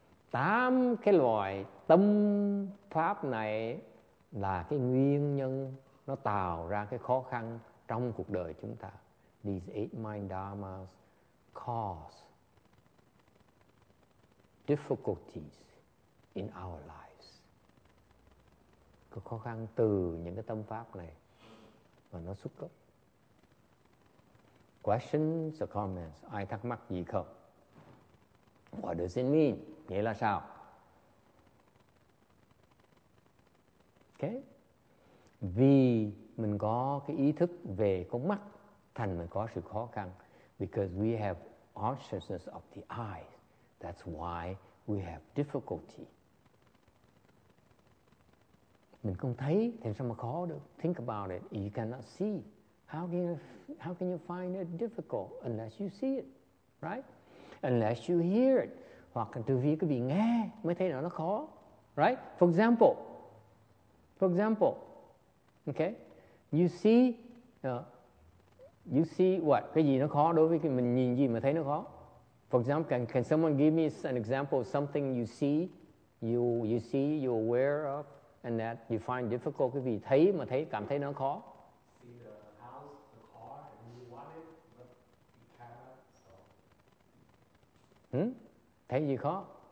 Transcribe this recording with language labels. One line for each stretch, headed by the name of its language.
Vietnamese: Tám cái loại tâm pháp này là cái nguyên nhân nó tạo ra cái khó khăn trong cuộc đời chúng ta.
English: These eight mind dharmas cause difficulties in our lives.
Vietnamese: Cái khó khăn từ những cái tâm pháp này mà nó xuất cấp.
English: Questions or comments?
Vietnamese: Ai thắc mắc gì không?
English: What does it mean?
Vietnamese: Nghĩa là sao?
English: Okay.
Vietnamese: Vì mình có cái ý thức về con mắt, thành mình có sự khó khăn.
English: Because we have consciousness of the eyes, that's why we have difficulty.
Vietnamese: Mình không thấy, thì sao mà khó được?
English: Think about it. You cannot see. How can you find it difficult unless you see it, right? Unless you hear it.
Vietnamese: Hoặc từ vì cái vị nghe mới thấy nó khó, right?
English: For example, okay? You see what?
Vietnamese: Cái gì nó khó đối với cái mình nhìn gì mà thấy nó khó?
English: For example, can someone give me an example of something you're aware of and that you find difficult?
Vietnamese: Cái vị thấy mà thấy cảm thấy nó khó. Thấy gì khó?